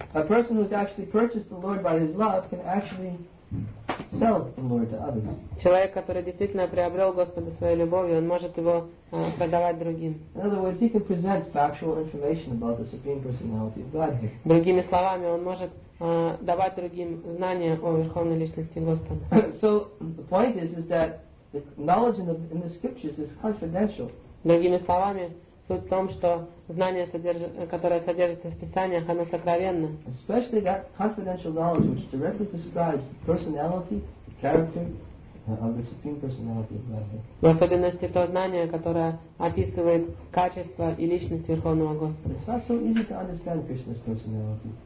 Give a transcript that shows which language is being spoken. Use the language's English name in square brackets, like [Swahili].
[English] A person who's actually purchased the Lord by his love can actually sell the Lord to others. [Russian] Человек, который действительно приобрел Господа своей любовью, он может его продавать другим. [English] In other words, he can present factual information about the Supreme Personality of Godhead. [Russian] Другими словами, он может давать другим знания о Верховной Личности Господа. [English] So the point is that the knowledge in the scriptures is confidential. [Russian] Другими словами, суть в том, что знание, которое содержится в Писаниях, оно сокровенно. [English] Especially that confidential knowledge which directly describes the personality, the character of the Supreme Personality of Godhead. [Russian] В особенности то знание, которое описывает качество и личность Верховного Господа. [English] It's not so easy to understand Krishna's personality.